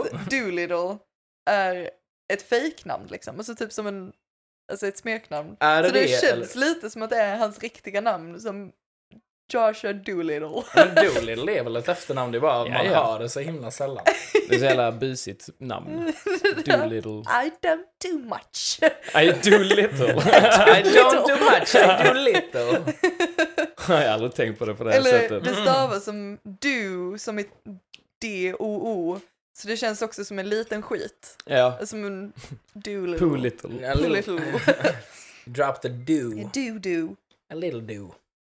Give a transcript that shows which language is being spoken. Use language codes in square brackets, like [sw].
[sv] Doolittle är ett fejknamn liksom. Alltså typ som en, alltså ett smeknamn. Är så det är känns eller? Lite som att det är hans riktiga namn som Joshua Doolittle. Men Doolittle är väl ett efternamn, det är bara man hör det så himla sällan. Det är så jävla busigt namn. Doolittle. [en] I don't do much. I do little. I don't do much, I do little. [sv] Jag har aldrig tänkt på det på det här eller sättet. Det stavas som do, som är D-O-O. Så det känns också som en liten skit. Ja. Som en Doolittle. Poolittle. Poolittle. [en] Drop the do. Do-do. A little do.